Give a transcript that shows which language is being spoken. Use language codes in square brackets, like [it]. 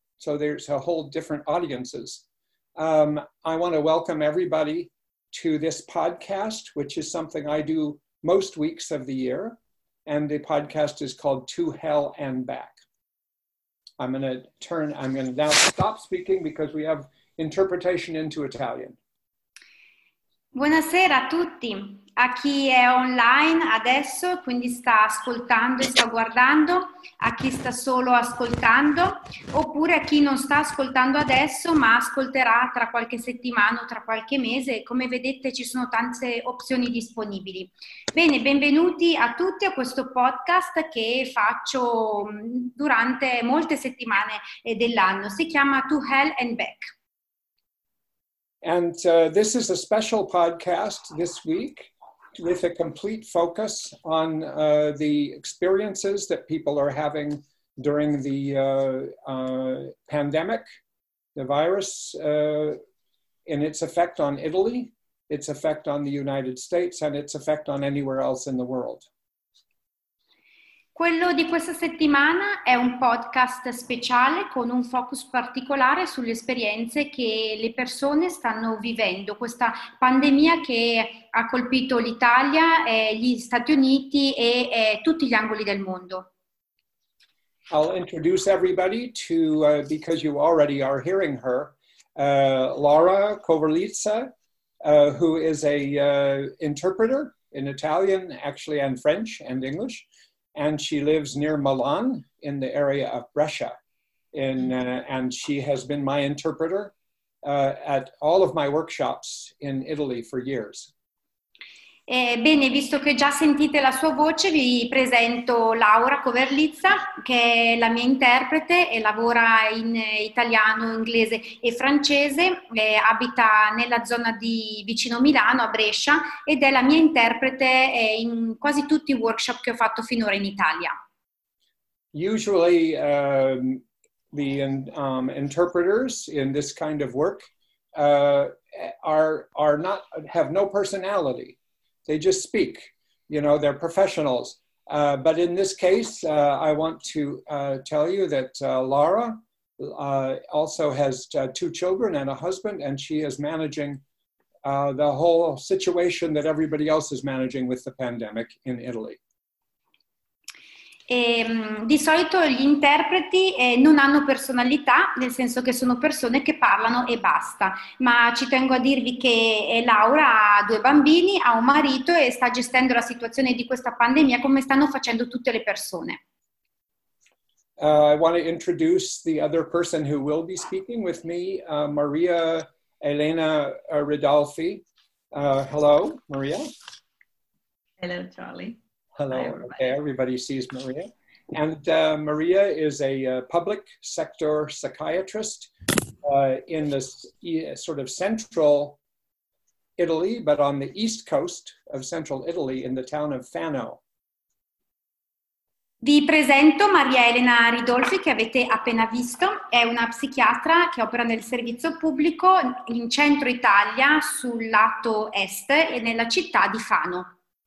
[en] So there's a whole different audiences. I want to welcome everybody to this podcast, which is something I do most weeks of the year. And the podcast is called To Hell and Back. I'm going to now stop speaking because we have interpretation into Italian. [it] Buonasera a tutti, a chi è online adesso, quindi sta ascoltando e sta guardando, a chi sta solo ascoltando, oppure a chi non sta ascoltando adesso, ma ascolterà tra qualche settimana o tra qualche mese. Come vedete ci sono tante opzioni disponibili. Bene, benvenuti a tutti a questo podcast che faccio durante molte settimane dell'anno. Si chiama To Hell and Back. [en] And this is a special podcast this week with a complete focus on the experiences that people are having during the pandemic, the virus, and its effect on Italy, its effect on the United States, and its effect on anywhere else in the world. [it] Quello di questa settimana è un podcast speciale con un focus particolare sulle esperienze che le persone stanno vivendo, questa pandemia che ha colpito l'Italia, gli Stati Uniti e tutti gli angoli del mondo. [en] I'll introduce everybody to, because you already are hearing her, Laura Kovalitsa, who is a interpreter in Italian, actually, and French and English. And she lives near Milan in the area of Brescia. And she has been my interpreter at all of my workshops in Italy for years. [it] Bene, visto che già sentite la sua voce, vi presento Laura Kovalitsa, che è la mia interprete e lavora in italiano, inglese e francese. Abita nella zona di vicino Milano, a Brescia, ed è la mia interprete in quasi tutti i workshop che ho fatto finora in Italia. [en] Usually, interpreters in this kind of work have no personality. They just speak, you know, they're professionals. But in this case, I want to tell you that Laura also has two children and a husband, and she is managing the whole situation that everybody else is managing with the pandemic in Italy. [it] Di solito gli interpreti non hanno personalità, nel senso che sono persone che parlano e basta. Ma ci tengo a dirvi che Laura ha due bambini, ha un marito e sta gestendo la situazione di questa pandemia come stanno facendo tutte le persone. [en] I want to introduce the other person who will be speaking with me, Maria Elena Ridolfi. Hello, Maria. Hello, Charlie. Hello, okay, everybody sees Maria. And Maria is a public sector psychiatrist in this sort of central Italy, but on the east coast of central Italy in the town of Fano. [it] Vi presento Maria Elena Ridolfi, che avete appena visto. È una psichiatra che opera nel servizio pubblico in centro Italia, sul lato est e nella città di Fano.